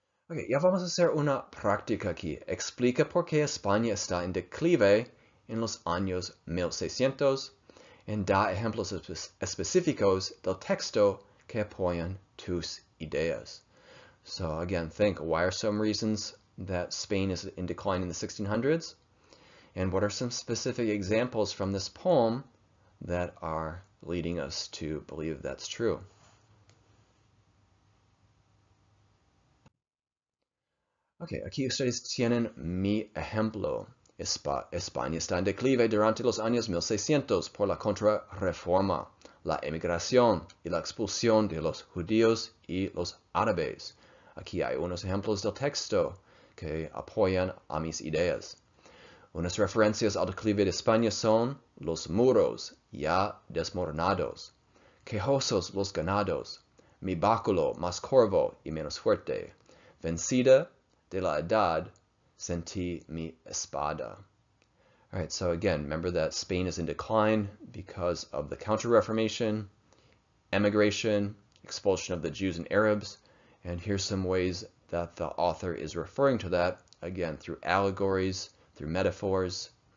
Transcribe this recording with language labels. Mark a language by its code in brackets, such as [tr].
[es] Ok, ya vamos a hacer una práctica aquí. Explica por qué España está en declive en los años 1600 y da ejemplos específicos del texto que apoyan tus ideas. [en] So again, think, why are some reasons that Spain is in decline in the 1600s? And what are some specific examples from this poem that are leading us to believe that's true? [es] Okay, aquí ustedes tienen mi ejemplo. España está en declive durante los años 1600 por la contrarreforma, la emigración y la expulsión de los judíos y los árabes. Aquí hay unos ejemplos del texto que apoyan a mis ideas. Unas referencias al declive de España son los muros ya desmoronados, quejosos los ganados, mi báculo más corvo y menos fuerte, vencida de la edad, sentí mi espada. [en] All right, so again, remember that Spain is in decline because of the Counter-Reformation, emigration, expulsion of the Jews and Arabs, and here's some ways that the author is referring to that, again, through allegories, through metaphors.